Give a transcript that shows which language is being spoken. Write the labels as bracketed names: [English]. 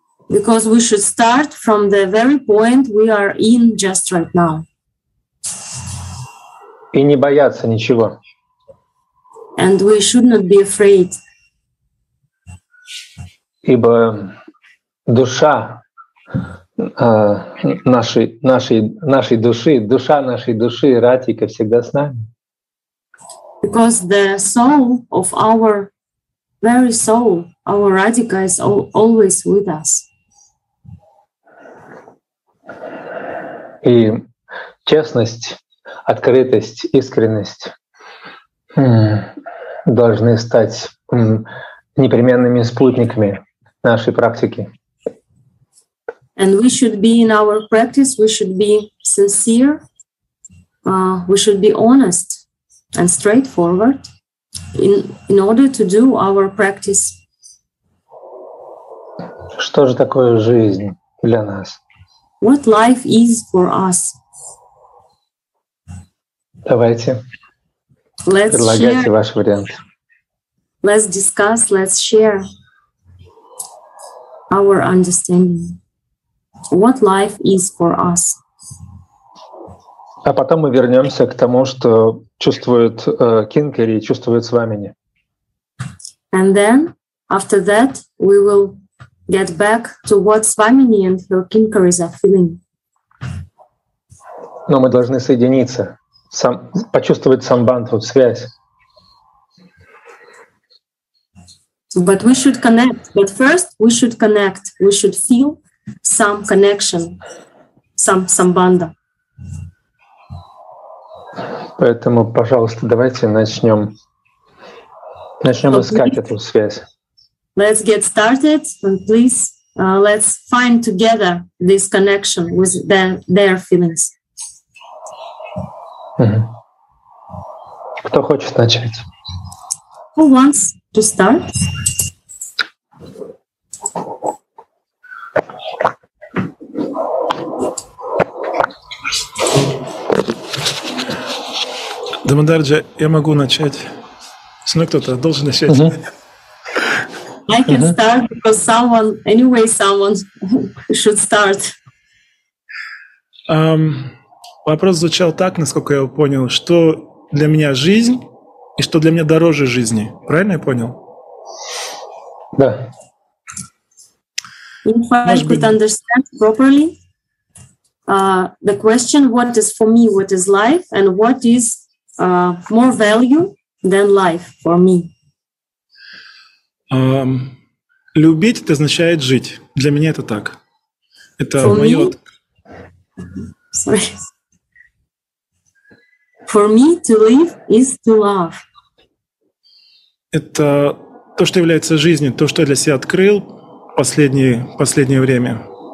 [English] Because we should start from the very point we are in just right now. [Russian] И не бояться ничего. [English] And we should not be afraid. [Russian] Ибо душа нашей души, Ратика всегда с нами. [English] Because the soul of our very soul, our Ratika is always with us. [Russian] И честность, открытость, искренность должны стать непременными спутниками нашей практики. [English] And we should be in our practice, we should be sincere, we should be honest and straightforward in order to do our practice. [Russian] Что же такое жизнь для нас? [English] What life is for us? [Russian] Давайте. [English] Let's [Russian] предлагайте [English] share. [Russian] Ваш вариант. [English] Let's discuss, let's share our understanding. What life is for us? [Russian] А потом мы вернемся к тому, что чувствует Кинкари, чувствует Свамини. [English] And then, after that, we will get back to what Swamini and her Kinkaris are feeling. [Russian] Но мы должны соединиться, почувствовать самбандху, связь. [English] But we should connect. But first we should connect. We should feel some connection, some samband. [Russian] Поэтому, пожалуйста, давайте начнем искать эту связь. [English] Let's get started and please let's find together this connection with their feelings. [Russian] Кто хочет начать? [English] Who wants to start? [Russian] Дамодарджа, я могу начать. Ну, кто-то должен начать. [English] I can start because someone should start. [Russian] Вопрос звучал так, насколько я понял, что для меня жизнь и что для меня дороже жизни. Правильно я понял? Да. [English] If I could understand properly, the question, what is for me, what is life, and what is more value than life for me? [Russian] Любить — это означает жить. Для меня это так. Это [English] for [Russian] мое. [English] Me, sorry. For me to live is to love. [Russian] Это то, что является жизнью, то, что я для себя открыл последнее время.